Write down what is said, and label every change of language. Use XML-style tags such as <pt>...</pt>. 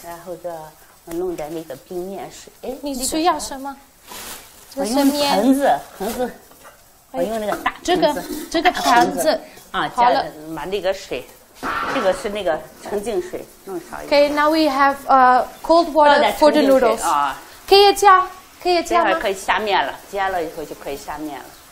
<zh>然后再弄点那个冰面水。你需要什么？我用那个盆子。我用那个大盆子。这个盆子。啊，加了把那个水。这个是那个纯净水，弄少一点。</zh> <en>Okay, now we have cold water for the noodles.</en> <zh>可以加吗？这会儿可以下面了，加了以后就可以下面了。</zh>